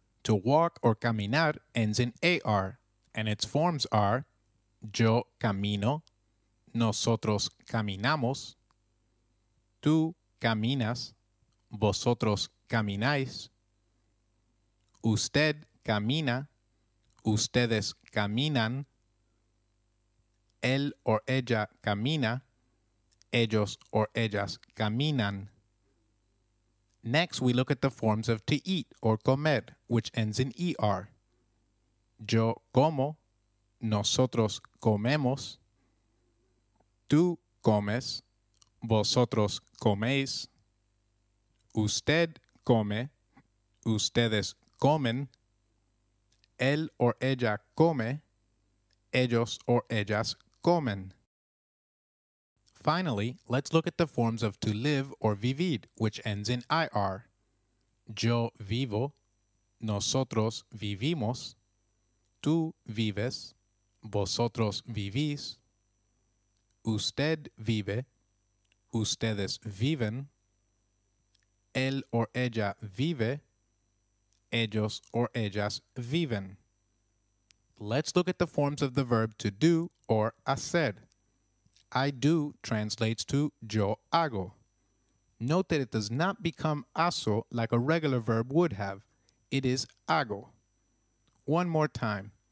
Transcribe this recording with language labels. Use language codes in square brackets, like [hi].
[en] To walk or [es] caminar [en] ends in AR, and its forms are [es] yo camino, nosotros caminamos, tú caminas, vosotros camináis, usted camina, ustedes caminan, él o ella camina, ellos o ellas caminan. [en] Next, we look at the forms of to eat or comer, which ends in ER. [es] Yo como, nosotros comemos, tú comes, vosotros coméis, usted come, ustedes comen, él o ella come, ellos o ellas comen. [en] Finally, let's look at the forms of to live or vivir, which ends in IR. [es] Yo vivo, nosotros vivimos, tú vives, vosotros vivís, usted vive, ustedes viven, él o ella vive, ellos o ellas viven. [en] Let's look at the forms of the verb to do or hacer. I do translates to [es] yo hago. [en] Note that it does not become hago like a regular verb would have. It is hago. One more time.